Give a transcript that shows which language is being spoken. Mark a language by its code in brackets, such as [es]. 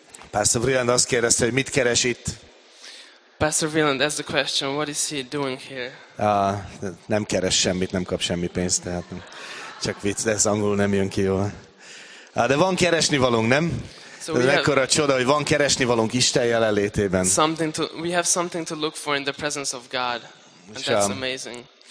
[hu] Pastor Vreeland azt kérdezte, hogy mit keres itt. [en] Pastor Vreeland asked the question, what is he doing here? [hu] Nem keres semmit, nem kap semmi pénzt, tehát csak vicc, de ez angolul nem jön ki jól. De van keresnivalónk, nem? So ez mekkora csoda, hogy van keresnivalónk Isten jelenlétében. [en] We have something to look for in the presence of God. And that's amazing.